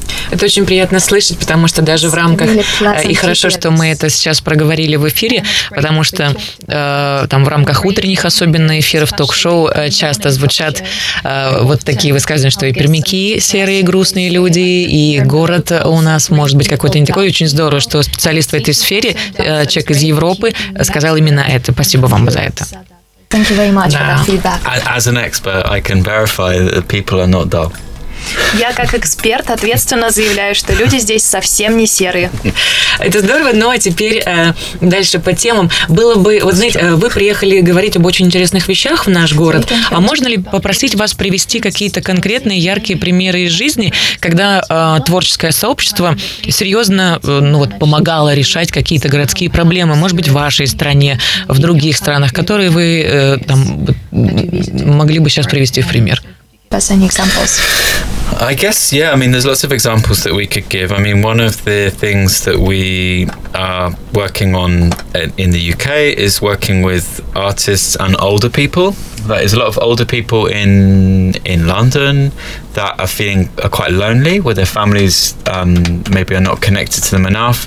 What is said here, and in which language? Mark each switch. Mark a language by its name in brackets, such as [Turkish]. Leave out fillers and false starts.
[Russian] Это очень приятно слышать, потому что даже в рамках, и хорошо, что мы это сейчас проговорили в эфире, потому что там в рамках утренних особенно эфиров, ток-шоу часто звучат вот такие высказывания, что и пермяки серые, грустные люди, и город у нас может быть какой-то не такой. Очень здорово, что специалист в этой сфере, человек из Европы, сказал именно это. Спасибо вам за это. [English] Thank you very much for that feedback. As an expert, I can verify that people are not dull. [Russian] Я как эксперт ответственно заявляю, что люди здесь совсем не серые. Это здорово, но теперь дальше по темам. Было бы, вот знаете, вы приехали говорить об очень интересных вещах в наш город, а можно ли попросить вас привести какие-то конкретные яркие примеры из жизни, когда творческое сообщество серьезно помогало решать какие-то городские проблемы, может быть, в вашей стране, в других странах, которые вы могли бы сейчас привести в пример? [English] Any examples? I guess, yeah. I mean, there's lots of examples that we could give. I mean, one of the things that we are working on in the UK is working with artists and older people. That is a lot of older people in London that are feeling are quite lonely, where their families maybe are not connected to them enough.